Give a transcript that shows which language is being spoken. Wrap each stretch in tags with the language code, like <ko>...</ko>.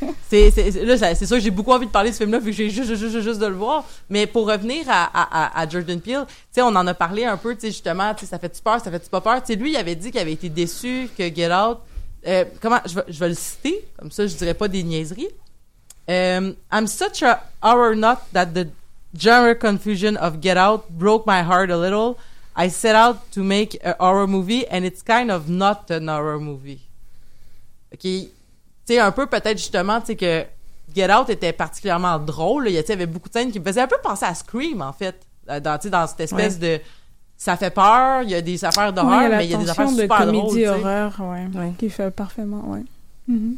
<fr>C'est sûr que j'ai beaucoup envie de parler de ce film-là, vu que j'ai juste de le voir. Mais pour revenir à Jordan Peele, tu sais, on en a parlé un peu, tu sais, justement, tu sais, ça fait-tu peur, ça fait-tu pas peur? Tu sais, lui, il avait dit qu'il avait été déçu que Get Out... comment je vais le citer, comme ça je dirais pas des niaiseries.</fr> <en>I'm such a horror nut that the genre confusion of Get Out broke my heart a little. I set out to make a horror movie and it's kind of not an horror movie.</en> <fr>Ok, tu sais, un peu peut-être justement, tu sais, que Get Out était particulièrement drôle, il y avait beaucoup de scènes qui me faisaient un peu penser à Scream, en fait, dans cette espèce de... Ça fait peur, il y a des affaires d'horreur, oui, mais il y a des affaires de super drôles. De comédie drôle, horreur, ouais. Qui fait parfaitement, ouais. Mm-hmm.</fr>